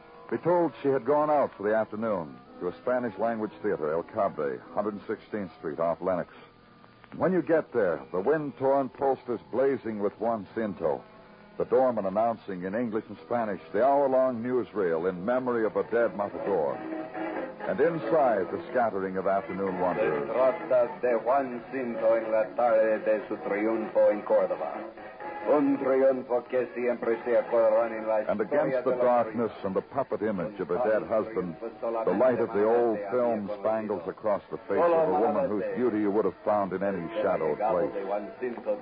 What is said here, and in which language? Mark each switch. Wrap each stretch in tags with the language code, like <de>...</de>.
<en>Be told she had gone out for the afternoon to a Spanish language theater, El Cabre, 116th Street off Lenox. When you get there, the wind-torn posters blazing with Juan Cinto, the doorman announcing in English and Spanish the hour-long newsreel in memory of a dead matador. And inside, the scattering of afternoon wanderers.</en> <es>Se trata de Juan Cinto en la tarde de su triunfo en Córdoba. Un triunfo que siempre se acordará en la historia.</es> <en>And against the darkness and the puppet image of a dead husband, the light of the old film spangles across the face of a woman whose beauty you would have found in any shadowed place.</en>